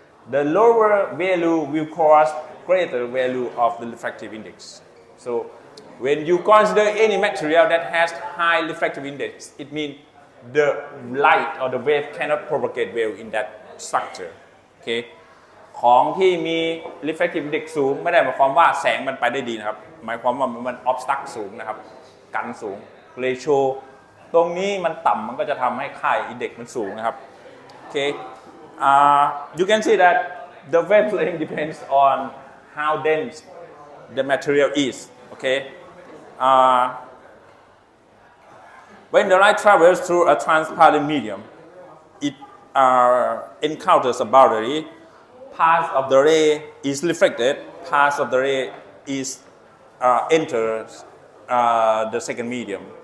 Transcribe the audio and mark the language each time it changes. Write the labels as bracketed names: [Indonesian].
[English] The lower value will cause greater value of the refractive index. So when you consider any material that has high refractive index, it means the light or the wave cannot propagate well in that structure. Okay. [Thai] ของที่มี refractive index สูงไม่ได้หมายความว่าแสงมันไปได้ดีนะครับหมายความว่ามัน obstruct สูงนะครับกันสูง ratio ตรงนี้มันต่ำมันก็จะทำให้ค่า index มันสูงนะครับ okay. [English] You can see that the wavelength depends on how dense the material is. When the light travels through a transparent mediumencounters a boundary, part of the ray is reflected, part of the ray is enters the second medium.